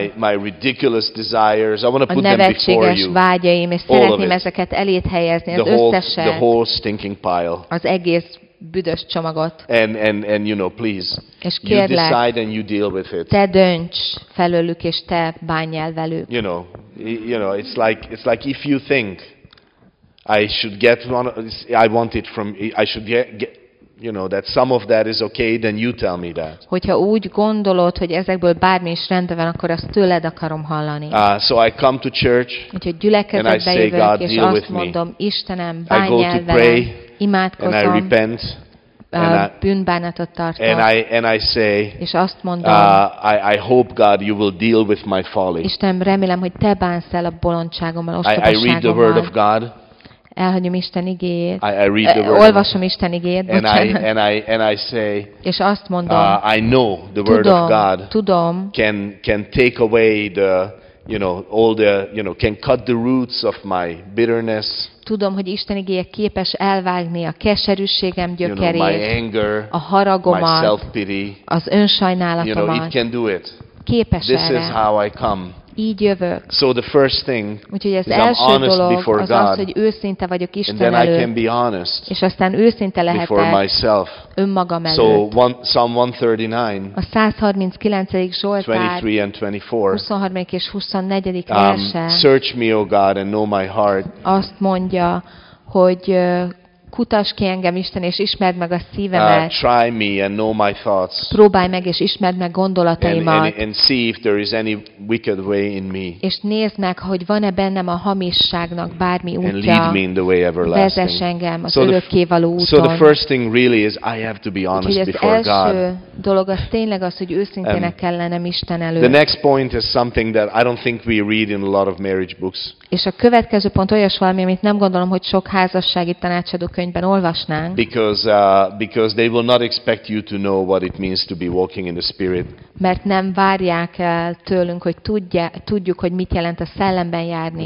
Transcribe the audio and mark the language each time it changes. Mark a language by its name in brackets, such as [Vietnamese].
[English] My ridiculous desires. I want to put them before you. [Hungarian] A nevetséges vágyaim, és szeretném ezeket eléd helyezni, az összeset. [English] The whole stinking pile. [Hungarian] Az egész büdös csomagot. [English] And you know, please. [Hungarian] És kérlek, [English] you decide and you deal with it. [Hungarian] Te dönts felőlük, és te bánj el velük. [English] You know, it's like if you think I should get one, I want it from, I should get you know that some of that is okay, then you tell me that. [Hungarian] Hogyha úgy gondolod, hogy ezekből bármi is rendben van, akkor azt tőled akarom hallani. [English] So I come to church. [Hungarian] Úgyhogy gyülekezetbe jövök, [English] God, [Hungarian] és azt mondom, [English] me. [Hungarian] Istenem, bánj el velem. Imádkozom, [English] and I repent. [Hungarian] Bűnbánatot tartom. [English] And I say. [Hungarian] És azt mondom. [English] I hope God you will deal with my folly. [Hungarian] Istenem, remélem, hogy te bánsz el a bolondságommal, ostobaságommal. [English] I read the word of God. [Hungarian] Elhagyom Isten igéjét. [English] I read the word. [Hungarian] Olvasom Isten igéjét. [English] And I say. [Hungarian] És azt mondom. [English] I know the word [Hungarian] tudom, [English] of God. [Hungarian] Tudom. [English] Can take away the you know all the you know can cut the roots of my bitterness. [Hungarian] Tudom, hogy Isten igéje képes elvágni a keserűségem gyökerét, [English] you know, my anger, [Hungarian] a haragomat, [English] my self-pity, [Hungarian] az önsajnálatomat. [English] You know it can do it. [Hungarian] Képes [English] This [Hungarian] erre. [English] Is how I come. [Hungarian] Így jövök. [English] So the first thing [Hungarian] Úgyhogy az [English] is [Hungarian] első [English] I'm [Hungarian] dolog az az, hogy őszinte vagyok Isten előtt, és aztán őszinte lehetek önmagam előtt. [English] So Psalm 139, [Hungarian] a 139. Zsoltár 23 és 24. verse. [English] Search me, O God, and know my heart. [Hungarian] Azt mondja, hogy kutass ki engem, Isten, és ismerd meg a szívemet. [English] Try me and know my thoughts. [Hungarian] Próbálj meg, és ismerd meg gondolataimat. [English] And see if there is any wicked way in me. [Hungarian] És nézd meg, hogy van-e bennem a hamisságnak bármi útja. [English] And lead me in the way everlasting. [Hungarian] Vezess engem az örökkévaló úton. [English] So the first thing really is I have to be honest before God. [Hungarian] Úgyhogy az első dolog az tényleg az, hogy őszintének kell lennem Isten előtt. [English] The next point is something that I don't think we read in a lot of marriage books. [Hungarian] És a következő pont olyas valami, amit nem gondolom, hogy sok házassági tanácsadó könyvben olvasnánk. [English] Because they will not expect you to know what it means to be walking in the spirit. [Hungarian] Mert nem várják el tőlünk, hogy tudjuk, hogy mit jelent a szellemben járni.